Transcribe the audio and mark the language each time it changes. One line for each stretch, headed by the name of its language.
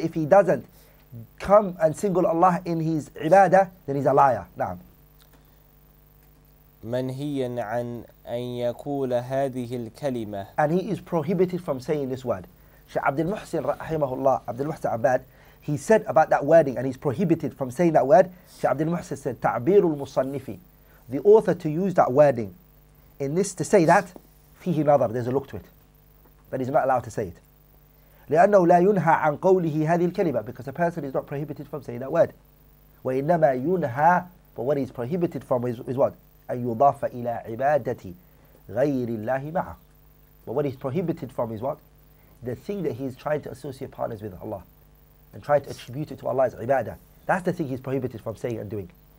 English: If he doesn't come and single Allah in his ibadah, then he's a liar.
Arabic: نعم. منهيا عن أن يقول هذه الكلمة.
English: And he is prohibited from saying this word. شيخ عبد المحسن رحمه الله, عبد المحسن عباد, he said about that wording, and he's prohibited from saying that word. شيخ عبد المحسن said,
Arabic: تعبير المصنفي,
English: the author to use that wording in this to say that,
Arabic: فيه نظر,
English: there's a look to it. But he's not allowed to say it.
Arabic: لأنه لا ينهى عن قوله هذه الكلمة,
English: because a person is not prohibited from saying that word.
Arabic: وإنما ينهى,
English: but what he's prohibited from is what?
Arabic: أن يضاف إلى عبادة غير الله معه.
English: But what he's prohibited from is what? The thing that he's trying to associate partners with Allah and try to attribute it to Allah is عبادة. That's the thing he's prohibited from saying and doing.